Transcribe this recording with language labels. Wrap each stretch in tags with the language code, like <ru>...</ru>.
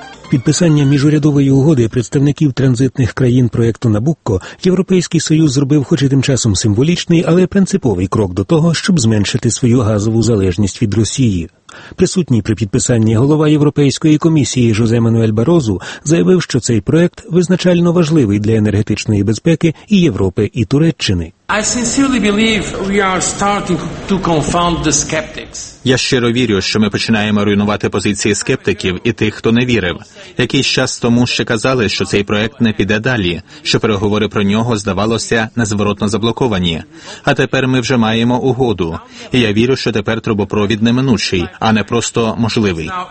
<uk>Підписання міжурядової угоди представників транзитних країн проєкту «Набукко» Європейський Союз зробив хоч і тим часом символічний, але принциповий крок до того, щоб зменшити свою газову залежність від Росії. Присутній при підписанні голова Європейської комісії Жозе Мануель Барозу заявив, що цей проєкт визначально важливий для енергетичної безпеки і Європи, і Туреччини.</uk> <en>I sincerely believe we are starting to confound the skeptics.</en> <uk>Я щиро вірю, що ми починаємо руйнувати позиції скептиків і тих, хто не вірив. Якийсь час тому ще казали, що цей проект не піде далі, що переговори про нього здавалося незворотно заблоковані. А тепер ми вже маємо угоду. І я вірю, що тепер трубопровід неминучий, а не просто можливий.</uk>